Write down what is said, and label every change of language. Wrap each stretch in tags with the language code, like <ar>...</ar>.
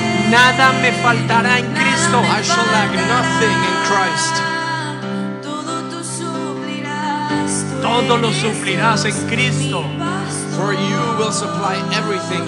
<es>Nada me faltará en Cristo.</es> <en>I shall lack nothing in Christ.</en> <es>Todo tú suplirás. Todo lo suplirás en Cristo.</es> <en>For you will supply everything.</en>